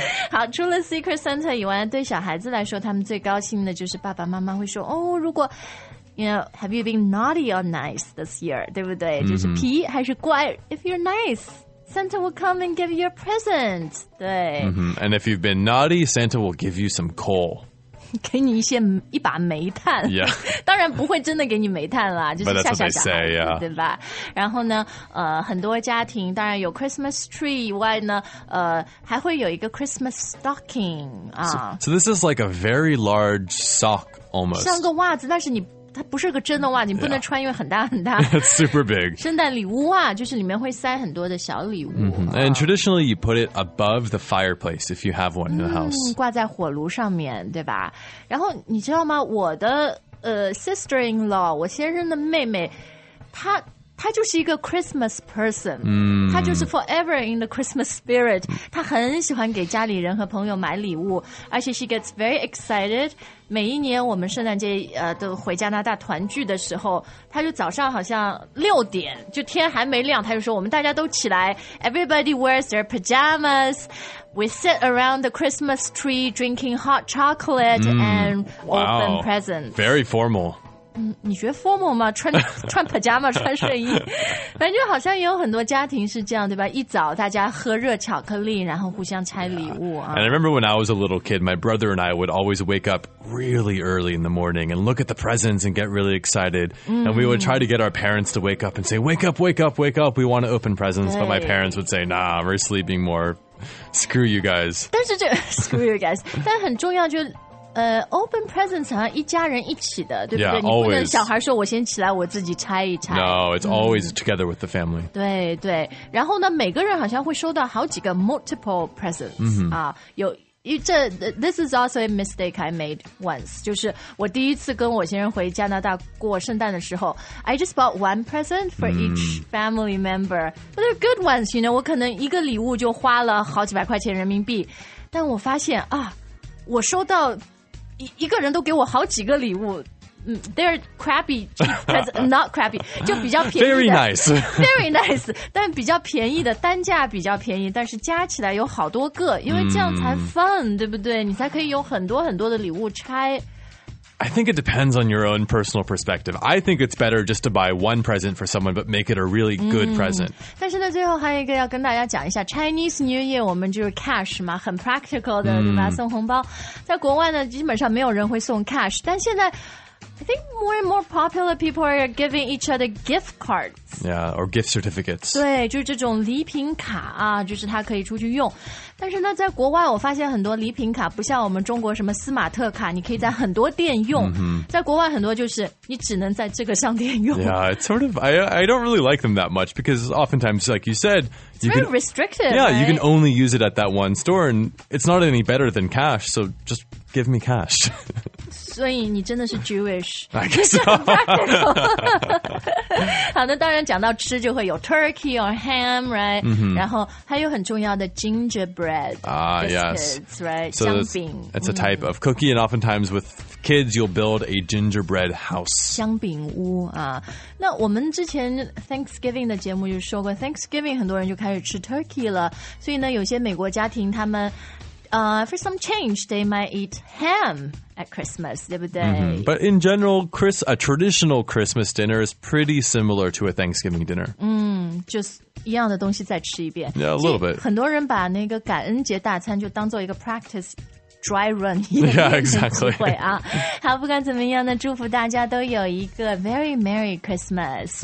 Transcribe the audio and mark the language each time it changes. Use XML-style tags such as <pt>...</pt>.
<zh>好，除了 Secret Santa 以外，对小孩子来说，他们最高兴的就是爸爸妈妈会说，哦，如果。</zh> <en>You know, have you been naughty or nice this year?</en> <zh>对不对？</zh> <en>Mm-hmm.</en> <zh>就是皮还是乖</zh> <en>If you're nice, Santa will come and give you a present.</en> <zh>对。 Mm-hmm.</zh> <en>And if you've been naughty, Santa will give you some coal.</en> <zh>给你一把煤炭。</zh> <en>Yeah.</en> <zh>当然不会真的给你煤炭啦，就是吓吓小孩子。</zh> <en>But that's what they say, yeah.</en> <zh>对吧？然后呢，很多家庭当然有 Christmas tree 以外呢，还会有一个 Christmas stocking.</zh> <en>So this is like a very large sock almost.</en> <zh>像个袜子，但是你它不是个真的袜你不能穿、</zh> <en>yeah.</en> <zh>因为很大很大</zh> <en>It's super big</en> <zh>圣诞礼物袜就是里面会塞很多的小礼物、 mm-hmm.</zh> <en>And traditionally you put it above the fireplace if you have one in the house</en> <zh>挂在火炉上面对吧然后你知道吗我的sister-in-law 我先生的妹妹她就是一个 Christmas person、 mm-hmm. 她就是</zh> <en>forever in the Christmas spirit</en> <zh>她很喜欢给家里人和朋友买礼物而且</zh> <en>she gets very excited</en> <zh>每一年我们圣诞节都回加拿大团聚的时候他就早上好像六点就天还没亮他就说我们大家都起来</zh> <en>Everybody wears their pajamas We sit around the Christmas tree drinking hot chocolate、mm, and open wow, presents Very formal</en> <zh>你觉得 formal 吗穿 pajama 穿睡衣反正好像也有很多家庭是这样对吧一早大家喝热巧克力然后互相拆礼物、</zh> <en>yeah. And I remember when I was a little kid my brother and I would always wake upreally early in the morning and look at the presents and get really excited、mm-hmm. and we would try to get our parents to wake up and say wake up wake up wake up we want to open presents but my parents would say nah we're sleeping more screw you guys</en> <zh>但是这</zh> <en>screw you guys</en> <zh>但很重要就</zh> <en>open presents</en> <zh>好像一家人一起的对不对</zh> <en>yeah,</en> <zh>你不能</zh> <en>always.</en> <zh>小孩说我先起来我自己拆一拆</zh> <en>No, it's always、mm-hmm. together with the family</en> <zh>对对然后呢每个人好像会收到好几个</zh> <en>multiple presents、 mm-hmm.</en> <zh>啊，有</zh> <en>This is also a mistake I made once.</en> <zh>就是我第一次跟我先生回加拿大过圣诞的时候</zh> <en>I just bought one present for each family member. But they're good ones, you know.</en> <zh>我可能一个礼物就花了好几百块钱人民币。但我发现啊，我收到一个人都给我好几个礼物。</zh> <en>They're crappy cheap presents, not crappy,</en> <zh>就比较便宜的</zh> <en>Very nice. Very nice,</en> <zh>但比较便宜的单价比较便宜但是加起来有好多个因为这样才 fun, 对不对你才可以有很多很多的礼物拆</zh> <en>I think it depends on your own personal perspective. I think it's better just to buy one present for someone, but make it a really good present.</en> <zh>但是呢最后还有一个要跟大家讲一下 Chinese New Year, 我们就是 cash 嘛很 practical 的对吧送红包。在国外呢基本上没有人会送</zh> <en>cash,</en> <zh>但现在</zh> <en>I think more and more popular people are giving each other gift cards. Yeah, or gift certificates.</en> <zh>对，就是这种礼品卡啊，就是它可以出去用。但是呢，在国外我发现很多礼品卡不像我们中国什么斯马特卡，你可以在很多店用。 Mm-hmm. 在国外很多就是你只能在这个商店用。</zh> <en>Yeah, it's sort of, I don't really like them that much because oftentimes, like you said, you can, very restrictive. Yeah, right? you can only use it at that one store and it's not any better than cash, so just give me cash.</en> <zh>所以你真的是 Jewish 就是很 practical 好那当然讲到吃就会有</zh> <en>turkey or ham right、 mm-hmm.</en> <zh>然后还有很重要的 gingerbread biscuits、</zh> <en>yes. right so</en> <zh>香饼</zh> <en>it's a type、mm-hmm. of cookie and oftentimes with kids you'll build a gingerbread house</en> <zh>香饼屋啊。那我们之前 Thanksgiving 的节目就说过 Thanksgiving 很多人就开始吃 turkey 了所以呢有些美国家庭他们</zh> <en>For some change, they might eat ham at Christmas, right? Mm-hmm. But in general, a traditional Christmas dinner is pretty similar to a Thanksgiving dinner. Just</en> <zh>一样的东西再吃一遍。</zh> <en>Yeah, a little bit.</en> <zh>很多人把那个感恩节大餐就当做一个</zh> <en>practice dry run. Yeah, exactly.</en> <zh>好，不管怎么样呢，祝福大家都有一个</zh> <en>very merry Christmas.</en>